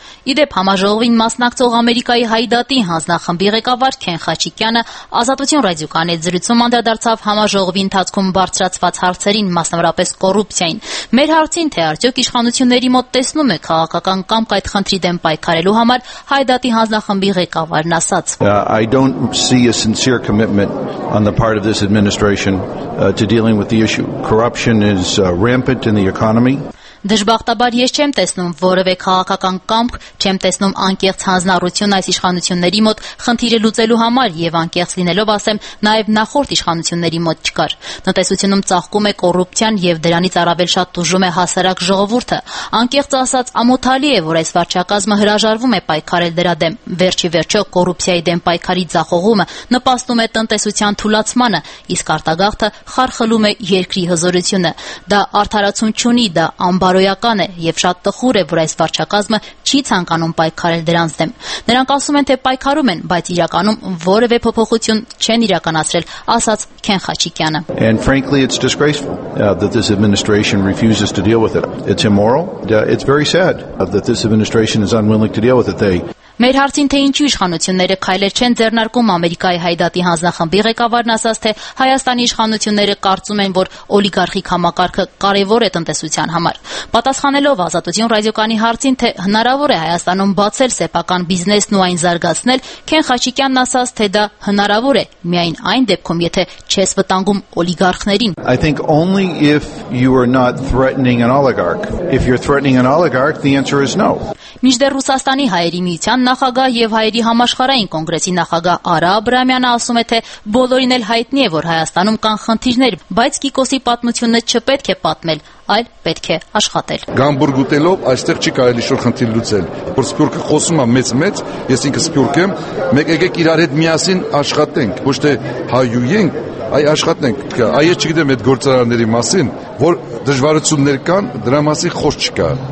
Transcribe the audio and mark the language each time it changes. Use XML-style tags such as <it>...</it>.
<hy>Իդեպ համաժողովին մասնակցող Ամերիկայի հայդատի հանձնախմբի ղեկավար Քեն Խաչիկյանը Ազատություն ռադիոկանալի զրույցում անդրադարձավ համաժողովի ընթացքում բարձրացված հարցերին, մասնավորապես կոռուպցիային։ Մեր հարցին, թե արդյոք իշխանությունների մոտ տեսնում է քաղաքական կամ այդ խնդրի դեմ պայքարելու համար, հայդատի հանձնախմբի ղեկավարն ասաց.</hy> <en>I don't see a sincere commitment on the part of this administration to dealing with the issue. Corruption is rampant in the economy.</en> <hy>Դժբախտաբար ես չեմ տեսնում որևէ քաղաքական կամք, չեմ տեսնում անկեղծ հանձնառություն այս իշխանությունների մոտ խնդիրը լուծելու համար եւ անկեղծ լինելով ասեմ, նաեւ նախորդ իշխանությունների մոտ չկար։ Տնտեսությունում ծաղկում է կոռուպցիան եւ դրանից առավել շատ դժում է հասարակ ժողովուրդը։ Անկեղծ ասած, ամոթալի է, որ այս վարչակազմը հրաժարվում է պայքարել դրա դեմ։ Վերջ ի վերջո կոռուպցիայի դեմ պայքարի ձախողումը նպաստում է տնտեսության թուլացմանը, իսկ արտագաղթը խարխլում է երկրի հզորությունը։ Դա արդարացում չունի, դա բարոյական է եւ շատ տխուր է, որ այս վարչակազմը չի ցանկանում պայքարել դրանց դեմ։ Նրանք ասում են, թե պայքարում են, բայց իրականում որևէ փոփոխություն չեն իրականացրել, ասաց Քեն Խաչիկյանը։</hy> <en>And frankly it's disgraceful that this administration refuses to deal with it. It's immoral. It's very sad that this administration is unwilling to deal with it.</en> <hy>Մեր հարցին, թե ինչու իշխանությունները քայլեր չեն ձեռնարկում Ամերիկայի հայդատի հանձնախմբի ղեկավարն ասաց, թե Հայաստանի իշխանությունները կարծում են, որ օլիգարխիկ համակարգը կարևոր է տնտեսության համար։ Պատասխանելով Ազատություն ռադիոկանի հարցին, թե հնարավոր է Հայաստանում բացել սեփական բիզնեսն ու այն զարգացնել, Քեն Խաչիկյանն ասաց, թե դա հնարավոր է միայն այն դեպքում, եթե չես վտանգում օլիգարխներին։</hy> <en>I think only if you are not threatening an oligarch. If you're threatening an oligarch, the answer is no.</en> <hy>Մինչդեռ Ռուսաստանի հայերի միության նախագահ եւ հայերի համաշխարհային կոնգրեսի նախագահ Արա Աբրամյանը ասում է, թե բոլորին էլ հայտնի է, որ Հայաստանում կան խնդիրներ, բայց Կիկոսի պատմությունը չպետք է պատմել, այլ պետք է աշխատել։ Գամբուրգ ուտելով այստեղ չի կարելի շոր խնդիր լուծել։ Որ Սփյուռքը խոսում է մեծ-մեծ, ես ինքս Սփյուռք եմ, մեկ եկեք իրար հետ միասին աշխատենք, ոչ թե հայու ենք, այ աշխատենք։ Այ ես չգիտեմ այդ գործարանների մասին, որ դժվարություններ կան, դրա մասին խոսք չկա,</hy>